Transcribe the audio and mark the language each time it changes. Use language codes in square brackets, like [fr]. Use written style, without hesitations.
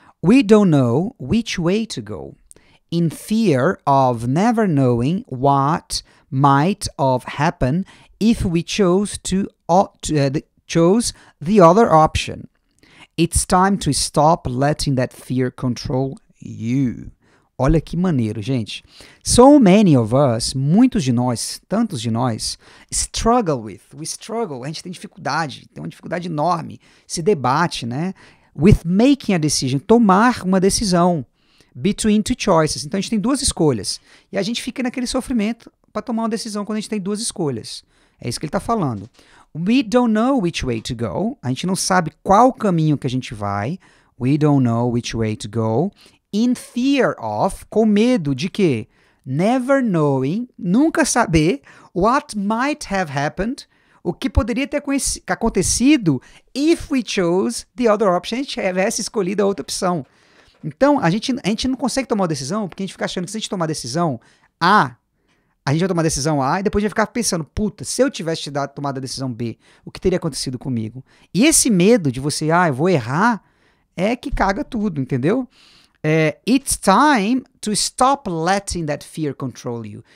[en] We don't know which way to go, in fear of never knowing what might have happened if we chose chose the other option. It's time to stop letting that fear control you. [pt] Olha que maneiro, gente. [en] So many of us, [pt] muitos de nós, tantos de nós, [en] struggle, [pt] a gente tem dificuldade, tem uma dificuldade enorme, se debate, né? [en] With making a decision, [pt] tomar uma decisão, [en] between two choices. [pt] Então, a gente tem duas escolhas. E a gente fica naquele sofrimento para tomar uma decisão quando a gente tem duas escolhas. É isso que ele está falando. [en] We don't know which way to go. [pt] A gente não sabe qual caminho que a gente vai. [en] We don't know which way to go. In fear of, [pt] com medo de quê? [en] Never knowing, [pt] nunca saber, [en] what might have happened, [pt] o que poderia ter acontecido [en] if we chose the other option, [pt] se a gente tivesse escolhido a outra opção. Então, a gente não consegue tomar uma decisão, porque a gente fica achando que se a gente tomar a decisão A, a gente vai tomar a decisão A, e depois a gente vai ficar pensando, puta, se eu tivesse tomado a decisão B, o que teria acontecido comigo? E esse medo de você, ah, eu vou errar, é que caga tudo, entendeu? [en] It's time to stop letting that fear control you.